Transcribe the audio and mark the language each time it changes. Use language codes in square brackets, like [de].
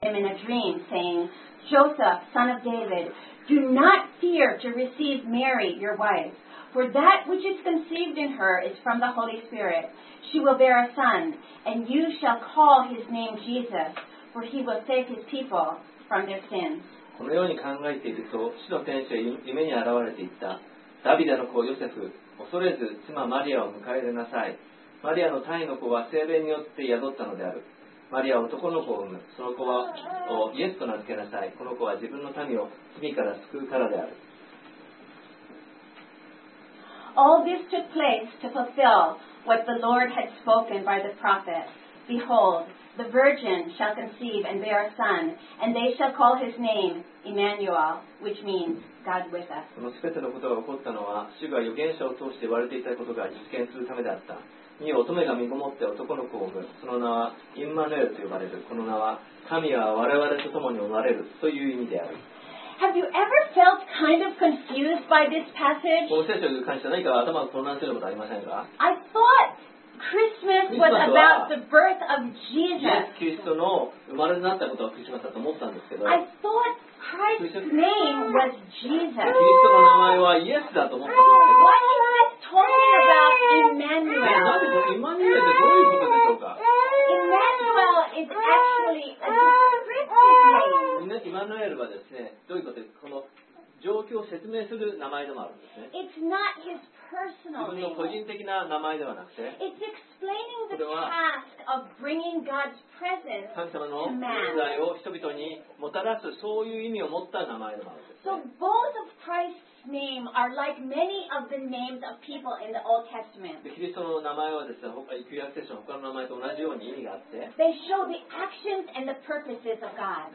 [en] him in a dream, saying, Joseph, son of David, do not fear to receive Mary, your wife, for that which is conceived in her is from the Holy Spirit. She will bear a son, and you shall call his name Jesus, for he will save his people from their sins. [ja] このように考えていると、死の天使は夢に現れていった。ダビデの子ヨセフ、恐れず妻マリアを迎え入れなさい。マリアの胎の子は聖霊によって宿ったのである。マリアは男の子を産む。その子はイエスと名付けなさい。この子は自分の民を罪から救うからである。 [en] All this took place to fulfill what the Lord had spoken by the prophet. Behold, the virgin shall conceive and bear a son, and they shall call his name Emmanuel, which means God with us. [ja] このすべてのことが起こったのは、主が預言者を通して言われていたことが実現するためだった。に乙女が身ごもって男の子を産む。その名はインマヌエルと呼ばれる。この名は神は我々と共におられるという意味である。 [en] Have you ever felt kind of confused by this passage? [ja] この聖書に関して何か頭が混乱することありませんか? [en] I thought Christmas was about the birth of Jesus. [ja] イエス・キリストの生まれになったことはクリスマスだと思ったんですけど。 [en] I thought Christ's name was Jesus. [ja] キリストの名前はイエスだと思ったんですけど。 [en] Why are you talking about Emmanuel? [ja] なんでこれ、イマニュエルってどういうことでしょうか? [en] Emmanuel is actually a descriptive name. [ja] イマヌエルはですね、どういうことですか?この状況を説明する名前でもあるんですね。 [en] It's not his personal name. [ja] 自分の個人的な名前ではなくて、 [en] It's explaining the task of bringing God's presence to man. [ja] 神様の存在を人々にもたらす、そういう意味を持った名前でもあるんですね。 [en] So both of Christ's name are like many of the names of people in the Old Testament. [ja] で、キリストの名前はですね、他旧約聖書の他の名前と同じように意味があって、 [en] They show the actions and the purposes of God.